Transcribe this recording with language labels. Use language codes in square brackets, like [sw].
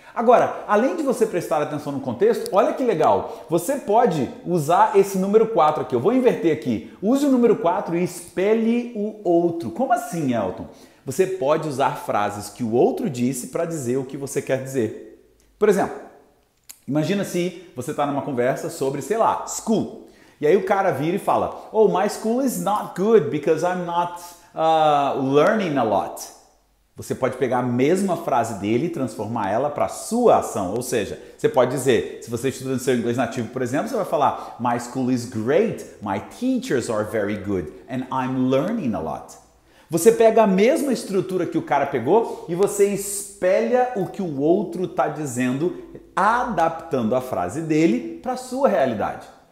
[pt] Agora, além de você prestar atenção no contexto, olha que legal, você pode usar esse número 4 aqui. Eu vou inverter aqui. Use o número 4 e espelhe o outro. Como assim, Elton? Você pode usar frases que o outro disse para dizer o que você quer dizer. Por exemplo, imagina se você está numa conversa sobre, sei lá, school. E aí o cara vira e fala, [en] oh, my school is not good because I'm not learning a lot. [pt] Você pode pegar a mesma frase dele e transformar ela para a sua ação. Ou seja, você pode dizer, se você estuda no seu inglês nativo, por exemplo, você vai falar, [en] my school is great, my teachers are very good, and I'm learning a lot. [pt] Você pega a mesma estrutura que o cara pegou e você espelha o que o outro está dizendo, adaptando a frase dele para a sua realidade.